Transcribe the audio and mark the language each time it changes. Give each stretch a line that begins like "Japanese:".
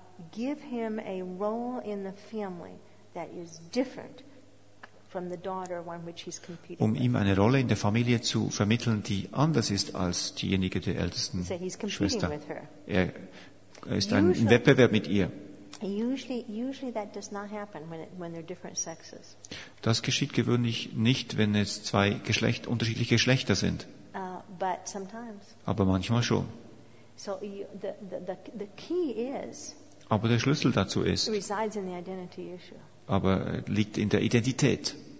English: Give him a role in the family that is different from the daughter one which he's competing.
German: Um ihm eine Rolle in der Familie zu vermitteln, die anders ist als diejenige der ältesten Schwester. Er ist ein Wettbewerb mit ihr.
English: Usually that does not happen when they're different sexes.
German: Das geschieht gewöhnlich nicht, wenn es zwei unterschiedliche Geschlechter sind.
English: But sometimes.
German: Aber manchmal schon.
English: So the key is,
German: aber der Schlüssel dazu ist,
English: resides in the identity issue.
German: Aber liegt in der Identität.